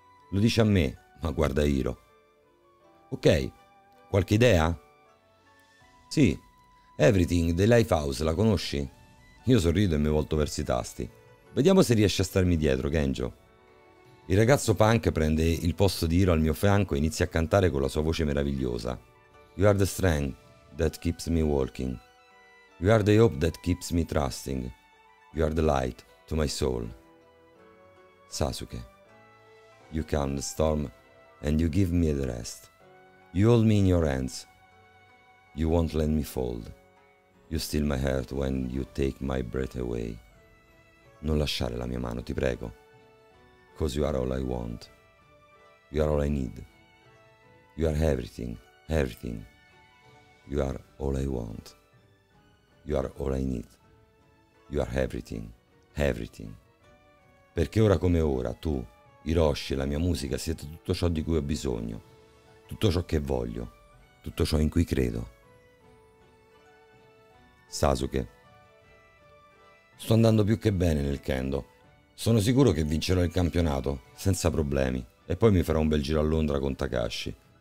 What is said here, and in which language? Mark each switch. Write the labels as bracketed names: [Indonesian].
[Italian] Lo dice a me, ma guarda Hiro. Ok, qualche idea? Sì. Everything, The Lifehouse, la conosci? Io sorrido e mi volto verso i tasti. Vediamo se riesci a starmi dietro, Genjo. Il ragazzo punk prende il posto di Hiro al mio fianco e inizia a cantare con la sua voce meravigliosa. [English] You are the strength that keeps me walking. You are the hope that keeps me trusting. You are the light to my soul. Sasuke. You calm the storm and you give me the rest. You hold me in your hands. You won't let me fall. You steal my heart when you take my breath away. [Italian] Non lasciare la mia mano, ti prego. [English] Cause you are all I want. You are all I need. You are everything, everything. You are all I want. You are all I need. You are everything, everything. [Italian] Perché ora come ora, tu, Hiroshi e la mia musica siete tutto ciò di cui ho bisogno, tutto ciò che voglio, tutto ciò in cui credo. Sasuke. Sto andando più che bene nel Kendo. Sono sicuro che vincerò il campionato, senza problemi, e poi mi farò un bel giro a Londra con Takashi.